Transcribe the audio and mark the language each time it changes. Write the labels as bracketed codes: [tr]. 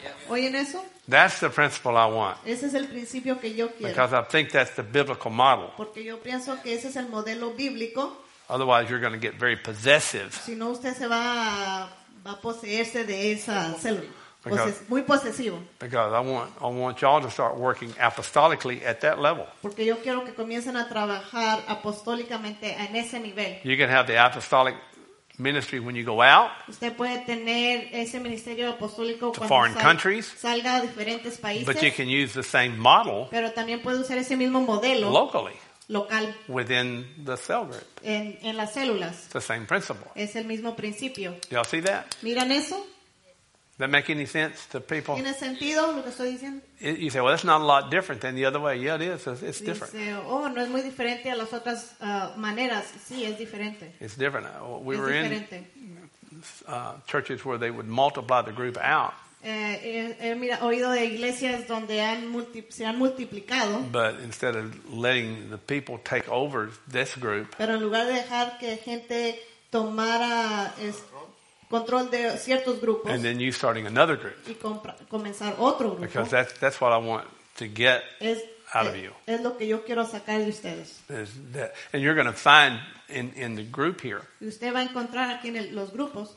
[es] ¿Oyen eso? [en] That's the principle I want. [es] Ese es el principio que yo quiero. [en] Because I think that's the biblical model. [es] Porque yo pienso que ese es el modelo bíblico. [en] Otherwise, you're going to get very possessive. [es] Si no, usted se va a poseerse de esa célula. Muy posesivo. [en] Because I want y'all to start working apostolically at that level. [es] Porque yo quiero que comiencen a trabajar apostólicamente en ese nivel. [en] You can have the apostolic ministry when you go out. [es] Usted puede tener ese ministerio apostólico [en] to foreign countries. [es] Salga a diferentes países. [en] But you can use the same model. [es] Pero también puede usar ese mismo modelo. [en] Locally. [es] Local. [en] Within the cell group. [es] En las células. [en] The same principle. [es] Es el mismo principio. [en] Y'all see that? [es] Miran eso. [en] That make any sense to people? [es] ¿Tiene sentido lo que estoy diciendo? [en] You say, well, that's not a lot different than the other way. Yeah, it is. It's different. [es] Dice, oh, no es muy diferente a las otras maneras. Sí, es diferente. [en] It's different. We [es] es [en] were [es] diferente. [en] in churches where they would multiply the group out. [es] Oído de iglesias donde se han multiplicado. [en] But instead of letting the people take over this group. [es] Pero en lugar de dejar que gente tomara control de ciertos grupos. [en] And then you starting another group. [es] Y comenzar otro grupo. [en] Because that's what I want to get out of you. [es] Es lo que yo quiero sacar de ustedes. [en] And you're going to find in the group here. [es] Usted va a encontrar aquí en los grupos.